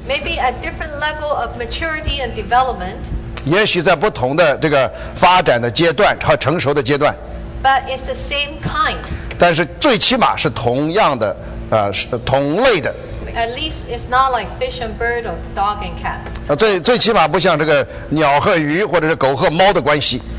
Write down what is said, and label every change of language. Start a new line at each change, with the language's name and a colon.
English: Maybe a different level of maturity and development.
Chinese: 也许在不同的这个发展的阶段和成熟的阶段。
English: But it's the same kind.
Chinese: 但是最起码是同样的是同类的。
English: At least it's not like fish and bird or dog and cat.
Chinese: 最起码不像这个鸟和鱼或者是狗和猫的关系。